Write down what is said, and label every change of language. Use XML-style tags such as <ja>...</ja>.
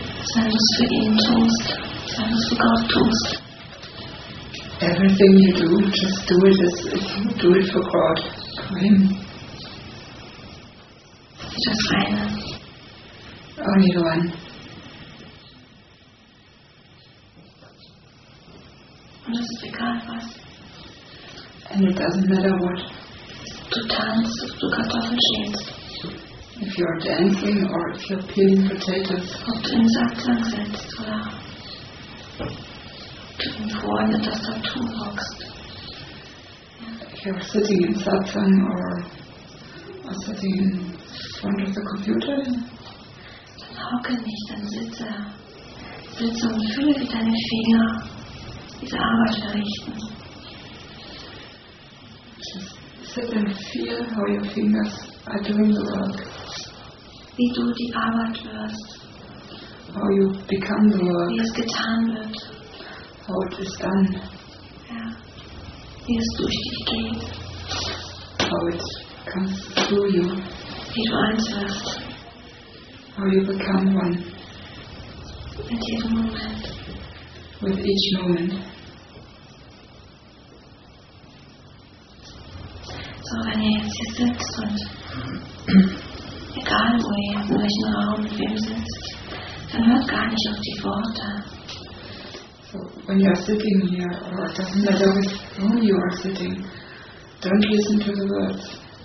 <de>Sei es für ihn tust, sei es für Gott tust.</de> <en>Everything you do, just do it as if you do it for God, for him. Just</en> <de>eine.</de> <en>Only one.</en> <de>Und es ist egal was.</de> <en>And it doesn't matter what.</en> <de>Du tanzt, ob du Kartoffeln schälst.</de> <en>If you're dancing or if you're peeling potatoes.</en> <de>Ob du im Saftlang sitzt oder du im Freunde das Tattoo hockst.</de> <en>If you're sitting in Saftlang or sitting in front of the computer.</en> <de>Dann hocke nicht, dann sitze. Sitze und fühle, wie deine Finger diese Arbeit verrichten.</de> <en>Just sit and feel how your fingers are doing the work.</en> <de>Wie du die Arbeit wirst.</de> <en>How you become the work.</en> <de>Wie es getan wird.</de> <en>How it is done.</en> <de>Ja. Wie es durch dich geht.</de> <en>How it comes through you.</en> <de>Wie du eins wirst.</de> <en>How you become one.</en> <de>Mit jedem Moment.</de> <en>With each moment.</en> <de>So, wenn ihr jetzt hier sitzt und egal, wo ihr in welchem Raum mit wem sitzt, dann hört gar nicht auf die Worte.</de> <en>So, when you are sitting here, or it doesn't matter with whom you are sitting, don't listen to the words.</en>